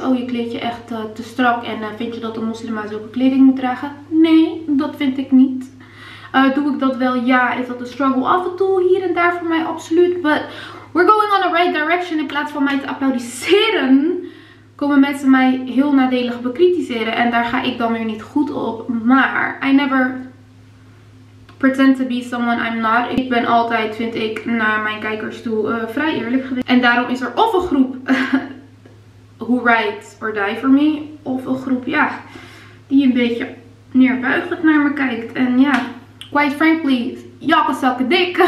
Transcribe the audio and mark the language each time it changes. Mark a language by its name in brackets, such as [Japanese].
[Dutch] Oh, je kleed je echt te strak. En vind je dat een moslima zulke kleding moet dragen? Nee, dat vind ik niet. Doe ik dat wel? Ja, is dat een struggle? Af en toe hier en daar voor mij absoluut. [English] But we're going on the right direction. [Dutch] In plaats van mij te applaudisseren... komen mensen mij heel nadelig bekritiseren. En daar ga ik dan weer niet goed op. [English] Maar I never pretend to be someone I'm not. [Dutch] Ik ben altijd, vind ik, naar mijn kijkers toe vrij eerlijk geweest. En daarom is er of een groep [English] who writes or die for me. [Dutch] Of een groep, ja, die een beetje neerbuigend naar me kijkt. [English] En ja, quite frankly, y'all can suck a dick.